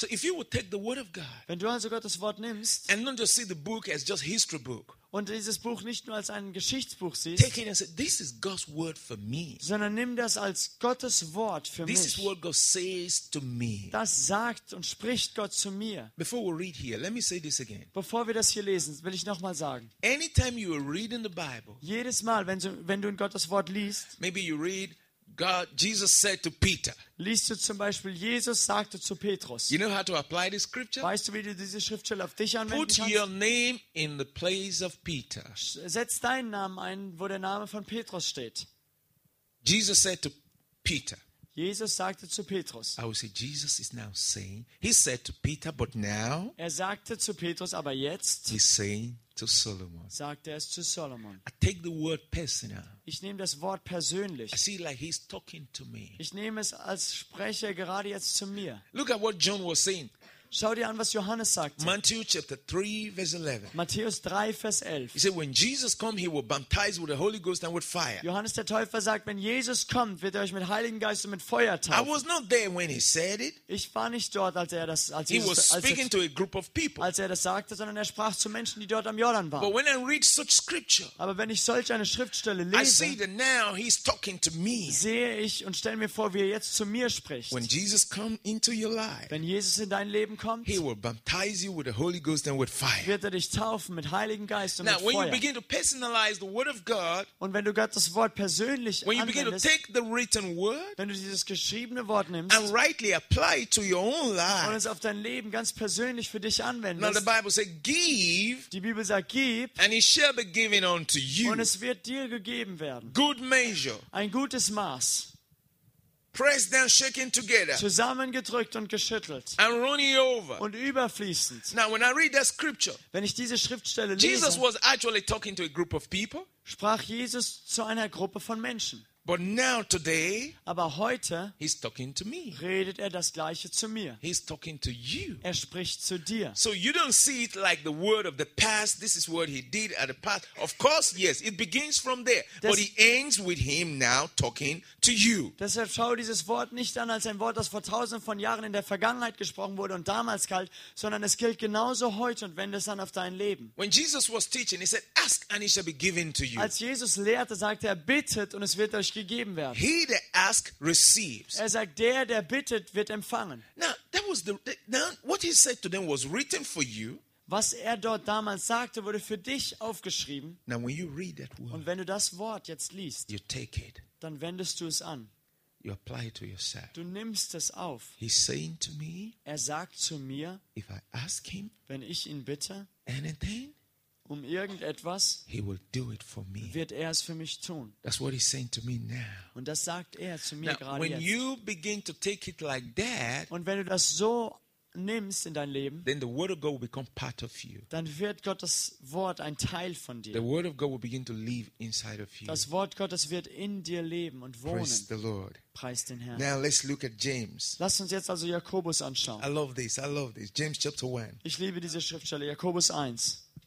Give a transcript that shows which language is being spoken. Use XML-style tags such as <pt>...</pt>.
<en>So if you would take the word of God.</en> <de>Wenn du also Gottes Wort nimmst.</de> <en>And not just see the book as just history book.</en> <de>Und dieses Buch nicht nur als ein Geschichtsbuch siehst.</de> <en>Take it and say, this is God's word for me.</en> <de>Sondern nimm das als Gottes Wort für</de> <en>this</en> <de>mich.</de> <en>This is what God says to me.</en> <de>Das sagt und spricht Gott zu mir.</de> <en>Before we read here, let me say this again.</en> <de>Bevor wir das hier lesen, will ich nochmal sagen.</de> <en>Anytime you are reading the Bible.</en> <de>Jedes Mal, wenn du in Gottes Wort liest.</de> <en>Maybe you read God, Jesus said to Peter.</en> <de>Liest du zum Beispiel, Jesus sagte zu Petrus.</de> <en>You know how to apply this scripture?</en> <de>Weißt du, wie du diese Schriftstelle auf dich anwenden kannst?</de> <en>Put your name in the place of Peter.</en> <de>Setz deinen Namen ein, wo der Name von Petrus steht.</de> <en>Jesus said to Peter.</en> <de>Jesus sagte zu Petrus.</de> <en>I would say Jesus is now saying. He said to Peter, but now.</en> <de>Er sagte zu Petrus, aber jetzt.</de> <en>He's saying to Solomon.</en> <de>Sagte es zu Solomon.</de> <en>I take the word personal.</en> <de>Ich nehme das Wort persönlich.</de> <en>I see like he's talking to me.</en> <de>Ich nehme es als spreche gerade jetzt zu mir.</de> <en>Look at what John was saying.</en> <de>Schau dir an, was Johannes sagt.</de> <en>Matthew chapter 3 verse 11.</en> <de>Matthäus 3 Vers 11.</de> <en>He said when Jesus come he will baptize with the Holy Ghost and with fire.</en> <de>Johannes der Täufer sagt, wenn Jesus kommt, wird er euch mit Heiligen Geist und mit Feuer taufen.</de> <en>I was not there when he said it.</en> <de>Ich war nicht dort, als er das als</de> <en>he was speaking to a group of people.</en> <de>Als er das sagte, sondern er sprach zu Menschen, die dort am Jordan waren.</de> <en>But when I read such scripture.</en> <de>Aber wenn ich solch eine Schriftstelle lese.</de> <en>I see that now he's talking to me.</en> <de>Sehe ich und stelle mir vor, wie er jetzt zu mir spricht.</de> <en>When Jesus come into your life.</en> <de>Wenn Jesus in dein Leben kommt,</de> <en>he will baptize you with the Holy Ghost and with fire.</en> <de>Wird er dich taufen mit Heiligen Geist und mit Feuer.</de> <en>Now, when you begin to personalize the Word of God,</en> <de>und wenn du Gottes Wort persönlich</de> <en>when you begin to take the written word,</en> <de>wenn du dieses geschriebene Wort nimmst,</de> <en>and rightly apply it to your own life,</en> <de>und es auf dein Leben ganz persönlich für dich anwendest.</de> <en>Now the Bible says, "Give."</en> <de>Die Bibel sagt, gib.</de> <en>And it shall be given unto you.</en> <de>Und es wird dir gegeben werden.</de> <en>Good measure.</en> <de>Ein gutes Maß.</de> <en>Pressed down, shaken together.</en> <de>Zusammengedrückt und geschüttelt.</de> <en>And running over.</en> <de>Und überfließend.</de> <en>Now, when I read that scripture,</en> <de>wenn ich diese Schriftstelle lese,</de> <en>Jesus was actually talking to a group of people.</en> <de>Sprach Jesus zu einer Gruppe von Menschen.</de> <en>But now today,</en> <de>aber heute,</de> <en>he's talking to me.</en> <de>Redet er das Gleiche zu mir.</de> <en>He's talking to you.</en> <de>Er spricht zu dir.</de> <en>So you don't see it like the word of the past. This is what he did at the past. Of course, yes, it begins from there, but it ends with him now talking to you.</en> <de>Deshalb schau dieses Wort nicht an als ein Wort, das vor tausend von Jahren in der Vergangenheit gesprochen wurde und damals galt, sondern es gilt genauso heute und wendet es an auf dein Leben.</de> <en>When Jesus was teaching, he said, "Ask and it shall be given to you."</en> <de>Als Jesus lehrte, sagte er, bittet und es wird euch gegeben werden.</de> <en>He that ask receives.</en> <de>Er sagt, der bittet, wird empfangen.</de> <en>Now, that was what he said to them was written for you.</en> <de>Was er dort damals sagte, wurde für dich aufgeschrieben.</de> <en>Now, when you read that word,</en> <de>und wenn du das Wort jetzt liest,</de> <en>you take it.</en> <de>Dann wendest du es an.</de> <en>You apply it to yourself.</en> <de>Du nimmst es auf.</de> <en>He's saying to me,</en> <de>er sagt zu mir,</de> <en>if I ask him,</en> <de>wenn ich ihn bitte,</de> <en>anything,</en> <de>um irgendetwas,</de> <en>he will do it for me.</en> <de>Wird er es für mich tun.</de> <en>That's what he's saying to me now.</en> <de>Und das sagt er zu mir</de> <en>now,</en> <de>gerade</de> <en>when</en> <de>jetzt.</de> <en>You begin to take it like that,</en> <de>und wenn du das so nimmst in dein Leben,</de> <en>then the word of God will become part of you.</en> <de>Dann wird Gottes Wort ein Teil von dir.</de> <en>The word of God will begin to live inside of you.</en> <de>Das Wort Gottes wird in dir leben und wohnen.</de> <en>Praise the Lord.</en> <de>Preist den Herrn.</de> <en>Now let's look at James.</en> <de>Lass uns jetzt also Jakobus anschauen.</de> <en>I love this. I love this. James chapter 1.</en> <de>Ich liebe diese Schriftstelle Jakobus 1.</de>